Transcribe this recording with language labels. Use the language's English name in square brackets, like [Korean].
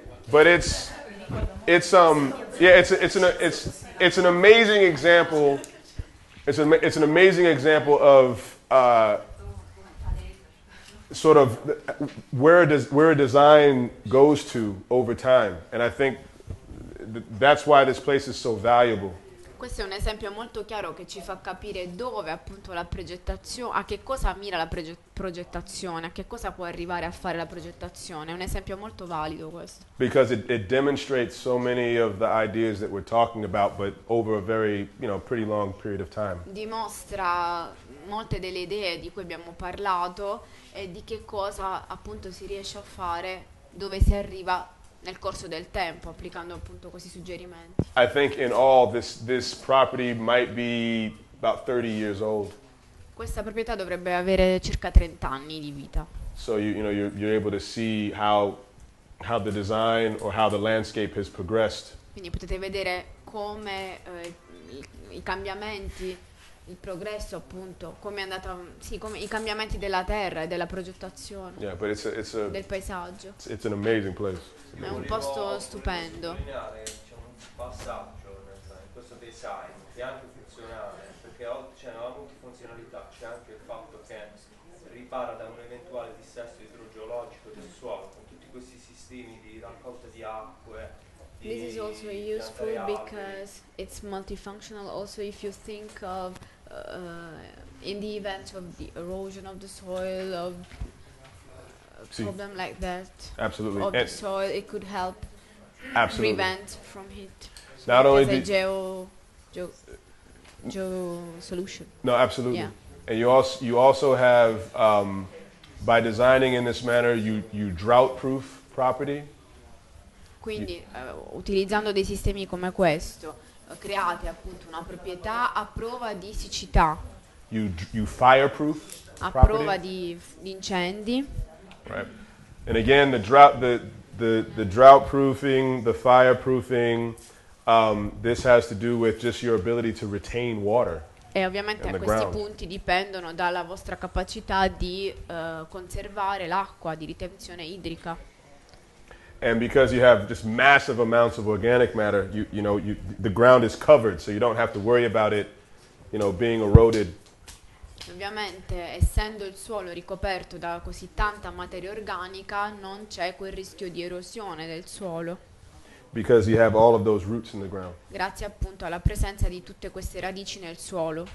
[English] But it's an amazing example. It's an amazing example of sort of where design goes to over time, and I think that's why this place is so valuable. [Italian] Questo è un esempio molto chiaro che ci fa capire dove appunto la progettazione, a che cosa mira la progettazione, a che cosa può arrivare a fare la progettazione. È un esempio molto valido questo. [English] Because it demonstrates so many of the ideas that we're talking about, but over a very, you know, pretty long period of time. [Italian] Dimostra molte delle idee di cui abbiamo parlato e di che cosa appunto si riesce a fare, dove si arriva nel corso del tempo, applicando appunto questi suggerimenti. [English] I think in all this property might be about 30 years old. [Italian] Questa proprietà dovrebbe avere circa 30 anni di vita. [English] So you're able to see how the design or how the landscape has progressed. [Italian] Quindi potete vedere come i cambiamenti, il progresso appunto, come è andata, sì, come i cambiamenti della terra e della progettazione. [English] Yeah, but it's a [Italian] del paesaggio. [English] It's an amazing place. [Italian] È un posto stupendo. C'è un passaggio in questo design che è anche funzionale, perché c'è una multifunzionalità, c'è anche il fatto che ripara da un eventuale dissesto idrogeologico del suolo con tutti questi sistemi di raccolta di acque. [English] This is also useful because it's multifunctional. Also, if you think of in the event of the erosion of the soil, of problem like that, absolutely, of the soil, it could help absolutely prevent from heat. So not only the geo solution. No, absolutely. Yeah. And you also have by designing in this manner, you drought proof property. [Italian] Quindi utilizzando dei sistemi come questo, create appunto una proprietà a prova di siccità. [English] You fireproof a property. [Italian] Prova di incendi. [English] Right. And again, the drought proofing, the fireproofing, this has to do with just your ability to retain water. [Italian] E ovviamente questi [English] ground [Italian] punti dipendono dalla vostra capacità di conservare l'acqua, di ritenzione idrica. [English] And because you have just massive amounts of organic matter, you know, the ground is covered, so you don't have to worry about it, you know, being eroded. [Italian] Ovviamente, essendo il suolo ricoperto da così tanta materia organica, non c'è quel rischio di erosione del suolo. [English] Because you have all of those roots in the ground. [Italian] Grazie appunto alla presenza di tutte queste radici nel suolo.